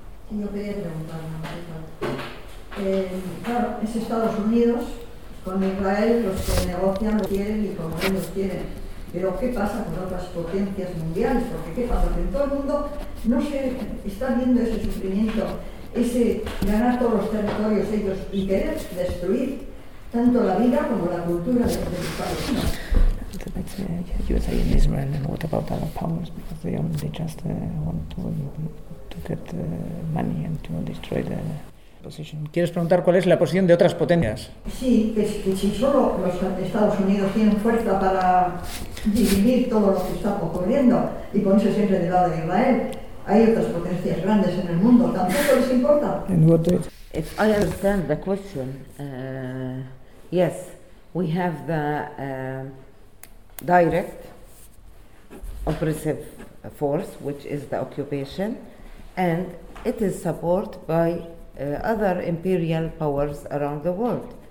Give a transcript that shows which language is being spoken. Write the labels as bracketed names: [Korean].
[Spanish] Yo quería preguntar, claro, es Estados Unidos con Israel los que negocian, lo quieren y como ellos quieren. Pero ¿qué pasa con otras potencias mundiales? Porque ¿qué pasa? Porque todo el mundo no se está viendo ese sufrimiento, ese ganar todos los territorios ellos y querer destruir tanto la vida como la cultura de los palestinos. [English] That's USA in Israel, and what about other powers? Because they just want to get money and to destroy the position. [Spanish] ¿Quieres preguntar cuál es la posición de otras potencias? Sí, que si solo los Estados Unidos tienen fuerza para dividir todo lo que está ocurriendo y ponerse siempre del lado de Israel, Hay otras potencias grandes en el mundo, tampoco les importa. [English] And what is? If I understand the question, yes, we have the direct oppressive force, which is the occupation, and it is supported by other imperial powers around the world.